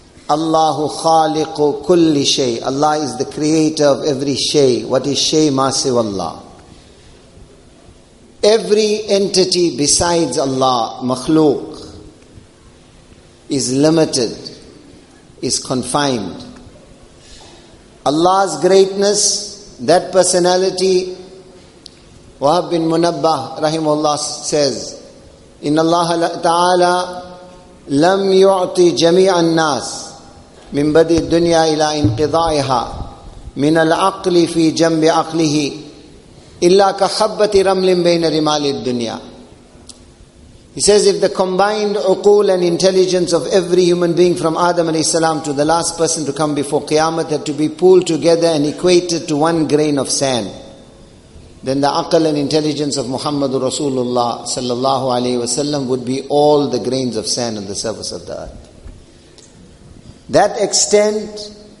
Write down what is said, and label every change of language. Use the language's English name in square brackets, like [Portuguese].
[English] Allahu khaliqu kulli shay. Allah is the creator of every shay. What is shay? Ma siwallah. Every entity besides Allah, makhluq, is limited, is confined. Allah's greatness, that personality, Wahab bin Munabbah rahimahullah says, [Arabic] إِنَّ اللَّهَ تَعَالَى لَمْ يُعْطِ جَمِيعَ النَّاسِ مِنْ بَدِي الدُّنْيَا إِلَىٰ إِنْقِضَائِهَا مِنَ الْعَقْلِ فِي جَنْبِ عَقْلِهِ إِلَّا كَخَبَّةِ رَمْلٍ بَيْنَ رِمَالِ الدُّنْيَا. [English] He says, if the combined uqul and intelligence of every human being from Adam alayhi salam to the last person to come before Qiyamah had to be pooled together and equated to one grain of sand, then the aql and intelligence of Muhammadur Rasulullah sallallahu alayhi wasallam would be all the grains of sand on the surface of the earth. That extent,